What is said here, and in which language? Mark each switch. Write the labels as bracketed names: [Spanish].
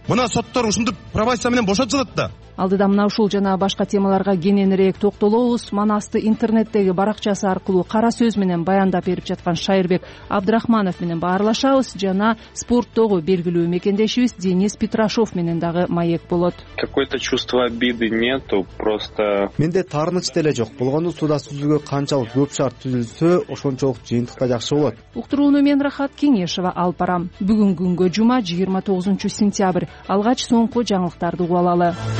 [Kyrgyz] Мына соттор ушинтип пробация менен бошотулат да. Алдыда мына ушул жана башка темаларга кененирээк токтолобуз. Манасты интернеттеги баракчасы аркылуу кара сөз менен баяндап берип жаткан Шайырбек Абдрахманов менен баарлашабыз жана спорттогу белгилүү мекендешибиз Денис Петрашов менен дагы маек болот. [Russian] Какое-то чувство обиды нету, просто [Kyrgyz] менде таарынч деле жок. Болгону сууда сүзүүгө канчалык көп шарт түзүлсө, ошончолук жыйынтыкта жакшы болот. Уктурууну мен Рахат Кеңешова алып барам. Бүгүн күнгө жума, 29 сентябрь. Алгач соңку жаңылыктарды угалалы.